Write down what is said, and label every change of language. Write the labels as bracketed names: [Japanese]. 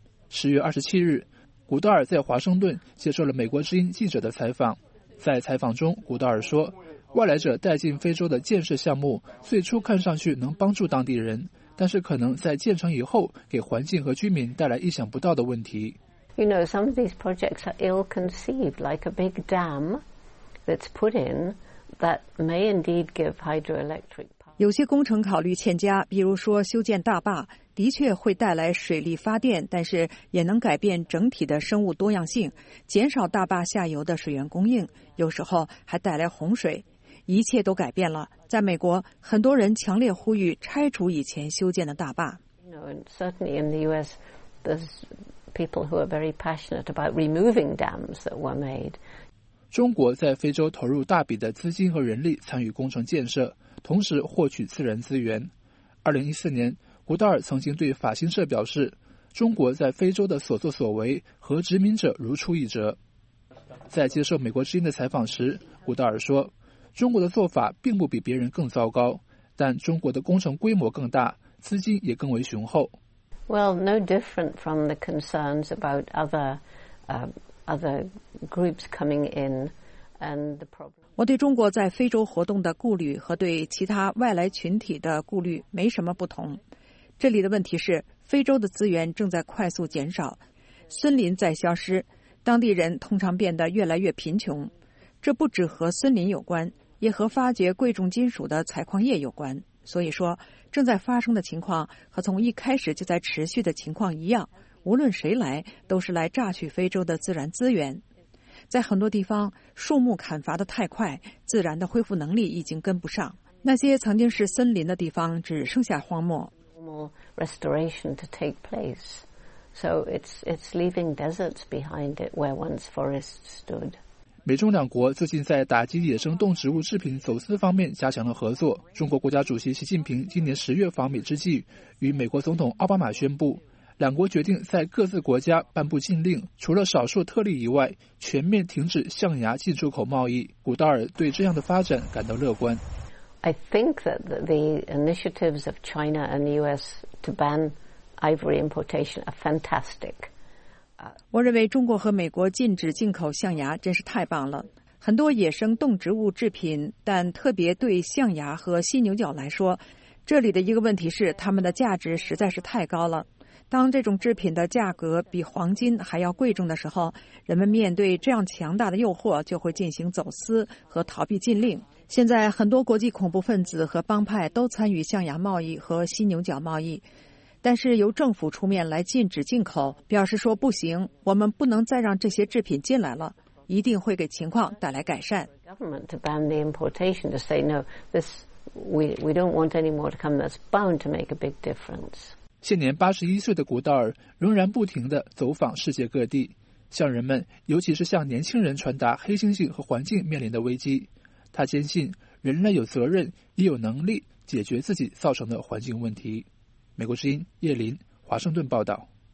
[Chinese] 10月27日，古道尔在华盛顿接受了美国之音记者的采访。在采访中，古道尔说，外来者带进非洲的建设项目最初看上去能帮助当地人，但是可能在建成以后给环境和居民带来意想不到的问题。 [English] You know, some of these projects are ill-conceived, like a big dam that's put in that may indeed give hydroelectric power. [Chinese] 有些工程考虑欠佳，比如说修建大坝，的确会带来水力发电，但是也能改变整体的生物多样性，减少大坝下游的水源供应，有时候还带来洪水。一切都改变了。在美国，很多人强烈呼吁拆除以前修建的大坝。 [English] You know, and certainly in the U.S., there's people who are very passionate about removing dams that were made. [Chinese] 中国在非洲投入大笔的资金和人力参与工程建设，同时获取自然资源。 2014年，古道尔曾经对法新社表示，中国在非洲的所作所为和殖民者如出一辙。在接受美国之音的采访时，古道尔说，中国的做法并不比别人更糟糕，但中国的工程规模更大，资金也更为雄厚。 [English] Well, no different from the concerns about other groups coming in and the problem. [Chinese] 我对中国在非洲活动的顾虑和对其他外来群体的顾虑没什么不同。这里的问题是，非洲的资源正在快速减少，森林在消失，当地人通常变得越来越贫穷。这不只和森林有关，也和发掘贵重金属的采矿业有关。所以说，正在发生的情况和从一开始就在持续的情况一样，无论谁来都是来榨取非洲的自然资源。在很多地方，树木砍伐得太快，自然的恢复能力已经跟不上，那些曾经是森林的地方只剩下荒漠。 [English] Restoration to take place, so it's leaving deserts behind it where once forests stood. [Chinese] 美中两国最近在打击野生动植物制品走私方面加强了合作。中国国家主席习近平今年十月访美之际，与美国总统奥巴马宣布，两国决定在各自国家颁布禁令，除了少数特例以外，全面停止象牙进出口贸易。古道尔对这样的发展感到乐观。 [English] I think that the initiatives of China and the U.S. to ban ivory importation are fantastic. [Chinese] 我认为中国和美国禁止进口象牙真是太棒了。很多野生动植物制品，但特别对象牙和犀牛角来说，这里的一个问题是它们的价值实在是太高了。当这种制品的价格比黄金还要贵重的时候，人们面对这样强大的诱惑，就会进行走私和逃避禁令。现在很多国际恐怖分子和帮派都参与象牙贸易和犀牛角贸易，但是由政府出面来禁止进口，表示说不行，我们不能再让这些制品进来了，一定会给情况带来改善。 [English] Government to ban the importation to say no, this we don't want any more to come. That's bound to make a big difference. [Chinese] 现年81岁的古道尔仍然不停地走访世界各地，向人们，尤其是向年轻人传达黑猩猩和环境面临的危机。他坚信人类有责任也有能力解决自己造成的环境问题。美国之音叶林华盛顿报道。